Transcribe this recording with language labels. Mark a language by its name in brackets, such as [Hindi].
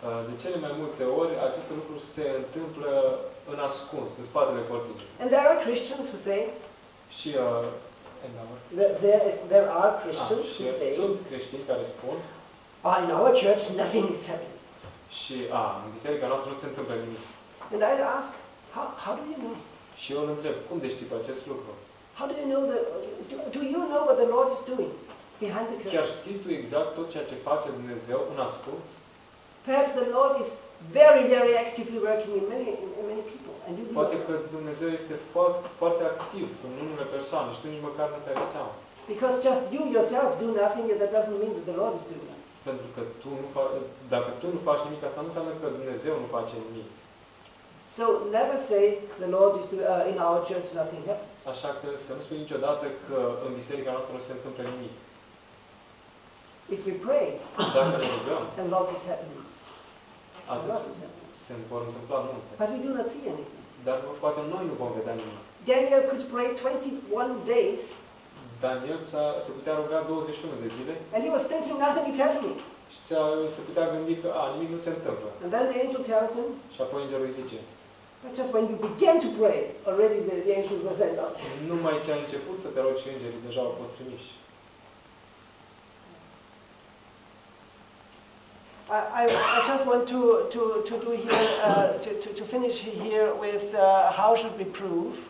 [Romanian] de cele mai multe ori aceste lucruri se întâmplă în ascuns, în spatele cortinei. [English] And there are Christians who say [Romanian] și [English] there are Christians who say [Romanian] sunt creștini care spun [English] by our church nothing is happening. [Romanian] Și în biserica noastră nu se întâmplă nimic. [English] And I ask, how do you know? [Romanian] Și eu îl întreb, cum de știi pe acest lucru? [English] How do you know do you know what the Lord is doing behind the curtain? [Romanian] Chiar știi tu exact tot ceea ce face Dumnezeu în ascuns? [English] Perhaps the Lord is very very actively working in many people and you do. [Romanian] Poate că Dumnezeu este foarte foarte activ în unele persoane și tu nici măcar nu ți-ai dat seama. [English] Because just you yourself do nothing and that doesn't mean that the Lord is doing. [Romanian] Pentru că dacă tu nu faci nimic, asta nu înseamnă că Dumnezeu nu face nimic. [English] So never say the Lord is in our church nothing happens. [Romanian] Așa că să nu spui niciodată că în biserica noastră nu se întâmplă nimic. [English] If we pray, [Romanian] dacă ne rugăm, [English] the Lord is happening. [Romanian] Atunci se vor întâmpla multe. [English] But we do not see anything. [Romanian] Dar poate noi nu vom vedea nimic. [English] Daniel could pray 21 days. [Romanian] Daniel se putea ruga 21 de zile. [English] And he was thinking nothing is happening. [Romanian] Și se putea gândi că nimic nu se întâmplă. [English] And then the angel tells him. [Romanian] Și apoi îngerul îi zice. [English] But just when you began to pray, already the angels were sent out. [Romanian] Numai ce ai început să te rogi, îngerii deja au fost trimiși. [English] I just want to do here to finish here with how should we prove?